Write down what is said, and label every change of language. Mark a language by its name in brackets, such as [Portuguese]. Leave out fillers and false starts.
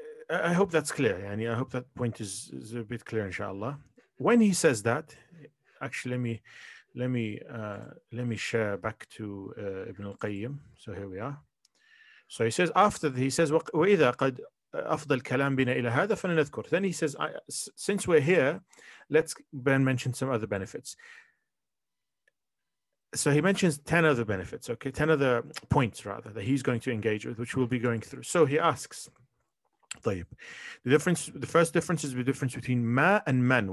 [English] I hope that's clear. Yani, I hope that point is a bit clear, inshallah. When he says that, actually, let me share back to Ibn al-Qayyim. So here we are. So he says, after the, he says, [Arabic] وَإِذَا قَدْ أَفْضَ الْكَلَامِ بِنَا إِلَى هَذَا فَلَنَذْكُرْ. [English] Then he says, since we're here, let's mention some other benefits. So he mentions 10 other benefits, okay? 10 other points, rather, that he's going to engage with, which we'll be going through. So he asks, [Arabic] طيب. [English] The first difference is the difference between ma and man.